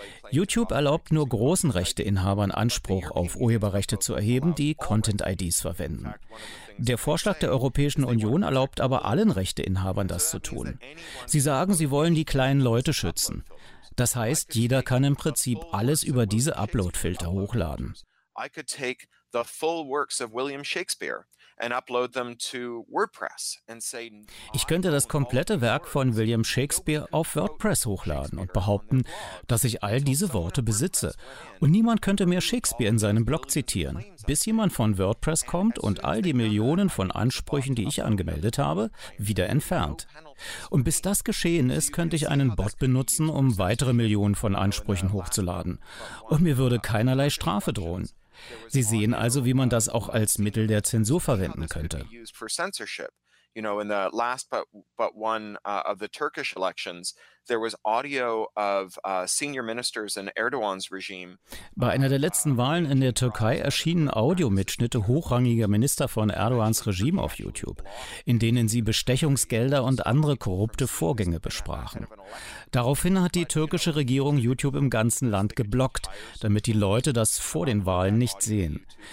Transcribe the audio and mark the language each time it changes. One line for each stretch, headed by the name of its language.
German: YouTube erlaubt nur großen Rechteinhabern Anspruch auf Urheberrechte zu erheben, die Content-IDs verwenden. Der Vorschlag der Europäischen Union erlaubt aber allen Rechteinhabern, das zu tun. Sie sagen, sie wollen die kleinen Leute schützen. Das heißt, jeder kann im Prinzip alles über diese Upload-Filter hochladen.
English: I could take the full works of William Shakespeare.
German: Ich könnte das komplette Werk von William Shakespeare auf WordPress hochladen und behaupten, dass ich all diese Worte besitze. Und niemand könnte mehr Shakespeare in seinem Blog zitieren, bis jemand von WordPress kommt und all die Millionen von Ansprüchen, die ich angemeldet habe, wieder entfernt. Und bis das geschehen ist, könnte ich einen Bot benutzen, um weitere Millionen von Ansprüchen hochzuladen. Und mir würde keinerlei Strafe drohen. Sie sehen also, wie man das auch als Mittel der Zensur verwenden könnte.
English: You know, in the last but one of the Turkish elections, there was audio of senior ministers in Erdogan's regime.
German: Bei einer der letzten Wahlen in der Türkei erschienen Audiomitschnitte hochrangiger Minister von Erdogans Regime auf YouTube, in denen sie Bestechungsgelder und andere korrupte Vorgänge besprachen. Daraufhin hat die türkische Regierung YouTube im ganzen Land geblockt, damit die Leute das vor den Wahlen nicht sehen.